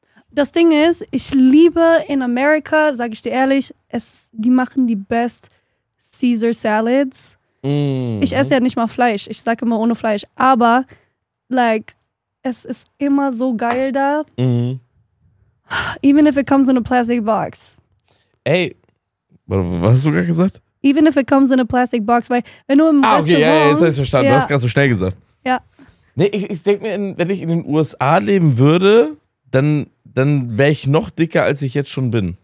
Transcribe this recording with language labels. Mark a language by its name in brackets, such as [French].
[German] Das Ding ist, ich liebe in Amerika, sag ich dir ehrlich, die machen die best Caesar Salads. Mm-hmm. Ich esse ja nicht mal Fleisch. Ich sag immer ohne Fleisch. Aber, like, es ist immer so geil da. Mm-hmm. [English] Even if it comes in a plastic box. [German] Ey, was hast du gerade gesagt? [English] Even if it comes in a plastic box, [German] weil wenn du im Restaurant... Ah, okay, ja, jetzt hab ich's verstanden. Ja. Du hast gerade so schnell gesagt. Ja. Nee, ich denke mir, wenn ich in den USA leben würde, dann wäre ich noch dicker, als ich jetzt schon bin.